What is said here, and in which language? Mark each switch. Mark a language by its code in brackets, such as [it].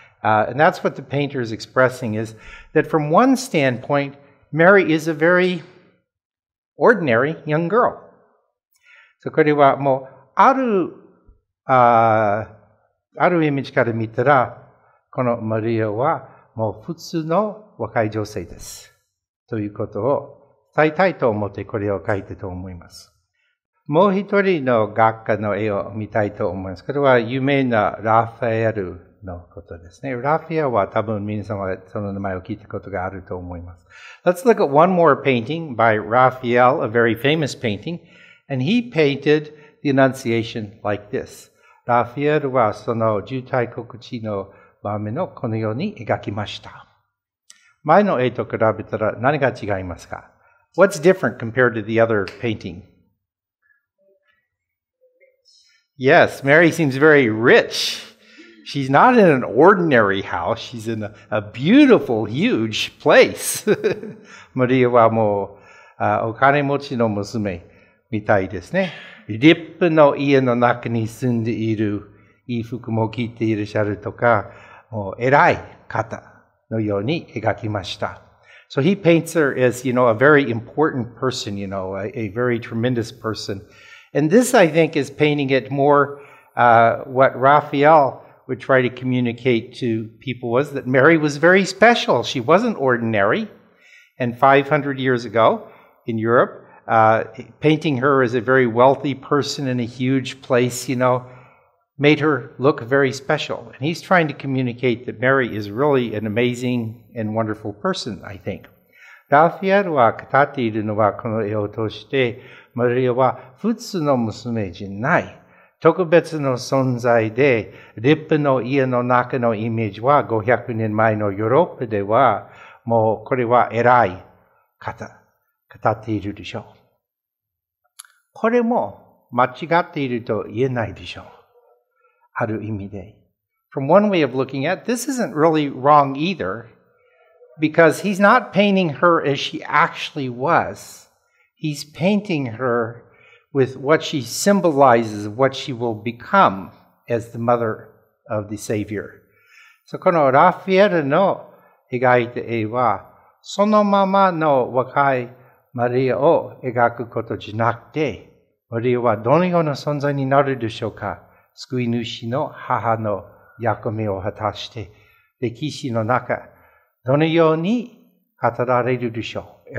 [en] And that's what the painter is expressing, is that from one standpoint, Mary is a very ordinary young girl. [ja] So, これはもう、ある意味から見たら、このマリアはもう普通の若い女性です。ということを伝えたいと思ってこれを描いてと思います。もう一人の画家の絵を見たいと思います。これは有名なラファエルのことですね。ラファエルは多分皆様その名前を聞いたことがあると思います。 [en] Let's look at one more painting by Raphael, a very famous painting, and he painted the Annunciation like this. [ja] ラファエルはその受胎告知の場面をこのように描きました。前の絵と比べたら何が違いますか? [en] What's different compared to the other painting? Yes, Mary seems very rich. She's not in an ordinary house. She's in a beautiful, huge place. [ja] Maria はもう、お金持ちの娘みたいですね。立派の家の中に住んでいる、いい服も着ていらっしゃるとか、もう偉い方。のように描きました。 [en] So he paints her as, you know, a very important person, you know, a very tremendous person. And this, I think, is painting it more, what Raphael would try to communicate to people was that Mary was very special. She wasn't ordinary. And 500 years ago in Europe, painting her as a very wealthy person in a huge place, you know,made her look very special. And he's trying to communicate that Mary is really an amazing and wonderful person, I think. [ja] ラフィエルは語っているのはこの絵を通して、マリアは普通の娘じゃない。特別の存在で、立派の家の中のイメージは500年前のヨーロッパでは、もうこれは偉い方、語っているでしょう。これも間違っていると言えないでしょう。ある意味で。 [en] From one way of looking at, this isn't really wrong either, because he's not painting her as she actually was. He's painting her with what she symbolizes, what she will become as the mother of the Savior. [ja] So, このラフィエルの描いた絵は、そのままの若いマリアを描くことじゃなくて、マリアはどのような存在になるでしょうか? 救い主の母の役目を果たして、歴史の中、どのように語られるでしょう。